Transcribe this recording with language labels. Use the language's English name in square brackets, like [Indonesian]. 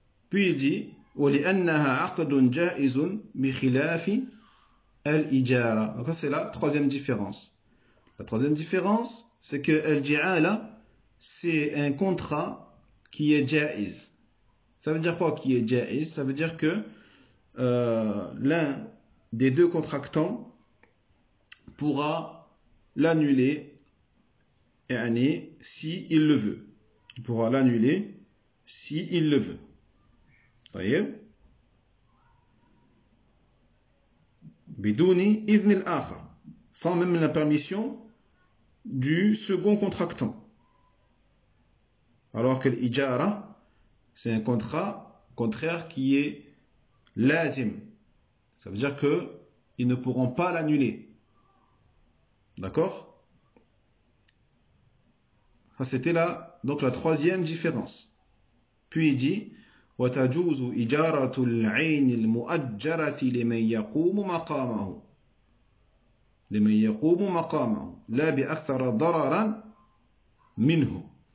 [French] Puis il dit, [Arabic] ولأنها عقد جائز بخلاف الإجارة. [French] Donc ça, c'est la troisième différence. La troisième différence, c'est que l'ijara, c'est un contrat qui est jaiz. Ça veut dire quoi qui est jaiz? Ça veut dire que l'un des deux contractants pourra l'annuler yani, si il le veut. Il pourra l'annuler si il le veut. Voyez? [Arabic] Bidouni idhnil akhar, [French] sans même la permission du second contractant. Alors que l'ijara, c'est un contrat contraire qui est lazim. Ça veut dire que ils ne pourront pas l'annuler. D'accord? Ça, c'était là, donc la troisième différence. Puis il dit, [Arabic] وتجوز إجارة العين المؤجرة لمن يقوم مقامه لمن يقوم مقامه لا بأكثر ضررا منه.